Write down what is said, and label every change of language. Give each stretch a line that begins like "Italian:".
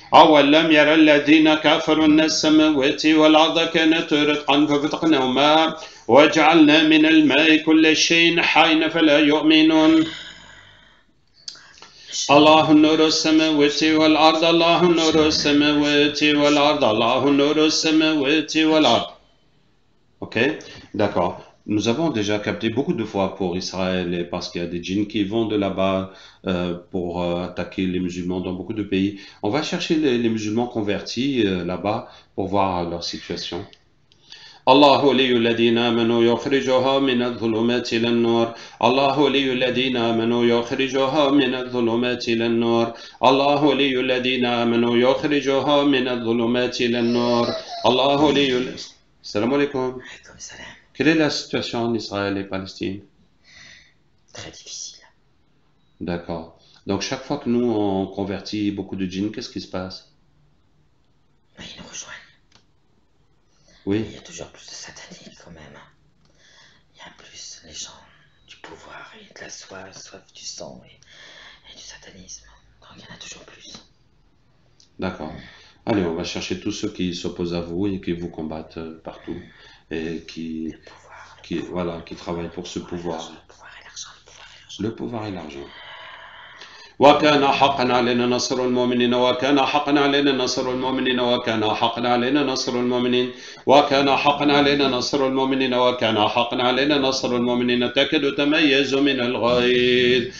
Arabic: أولم ير الذين كفروا أن السماوات والأرض كانت رتقا ففتقناهما وجعلنا من الماء كل شيء حي فلا يؤمنون. الله نور السماوات والأرض، الله نور السماوات والأرض، الله نور السماوات والأرض.
English: Okay doctor.
French: Nous avons déjà capté beaucoup de fois pour Israël et parce qu'il y a des djinns qui vont de là-bas pour attaquer les musulmans dans beaucoup de pays. On va chercher les musulmans convertis là-bas pour voir leur situation.
Arabic: الله ولي الذين آمنوا يخرجهم من الظلمات إلى النور، الله ولي الذين آمنوا يخرجهم من الظلمات إلى النور، الله ولي الذين آمنوا يخرجهم من الظلمات إلى النور، الله ولي. السلام عليكم.
French: Quelle est la situation en Israël et Palestine? Très difficile. D'accord. Donc chaque fois que nous on convertit beaucoup de djinns, qu'est-ce qui se passe? Mais ils nous rejoignent. Oui. Il y a toujours plus de satanisme quand même. Il y a plus les gens du pouvoir et de la soif, soif du sang et du satanisme. Donc il y en a toujours plus. D'accord. Allez, on va chercher tous ceux qui s'opposent à vous et qui vous combattent partout. Et qui travaille pour ce pouvoir. Le pouvoir et l'argent.
Arabic: وكان حقا علينا نصر المؤمنين، وكان حقا علينا نصر المؤمنين، وكان حقا علينا نصر المؤمنين، وكان حقا علينا نصر المؤمنين، وكان حقا علينا نصر المؤمنين، تكاد تميز من الغيظ.